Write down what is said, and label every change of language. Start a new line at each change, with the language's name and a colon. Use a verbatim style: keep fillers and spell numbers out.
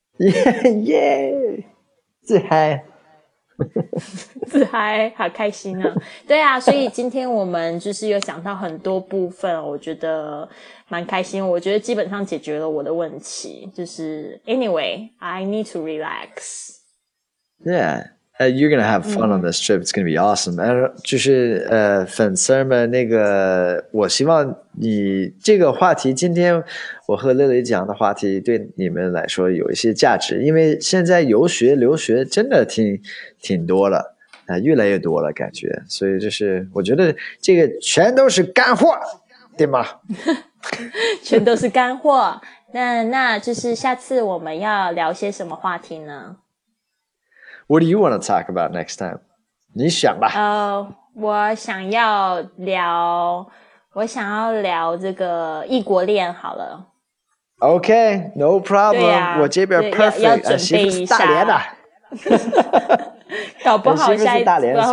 Chinese: Yeah, yeah. 自嗨，自嗨，好开心啊！对啊，所以今天我们就是有讲到很多部分，我觉得蛮开心。我觉得基本上解决了我的问题，就是
English: Anyway, I need to relax. Yeah. Uh, you're going to have fun on this trip. It's going to be awesome.
Chinese: Uh, 就是呃，粉丝们，那个我希望你这个话题，今天我和乐蕾讲的话题，对你们来说有一些价值，因为现在游学、留学真的挺挺多了啊、呃，越来越多了感觉，所以就是我觉得这个全都是干货，对吗？全都是干货。那那就是下次我们要聊些什么话题呢？
English: What do you want to talk about next time?
Chinese: 你想吧。呃，我想要聊，我想要聊这个异国恋好了。
English: Okay, no problem.、
Chinese: 啊、我这边 perfect，要, 要准备一下。大连的，搞不好下一次我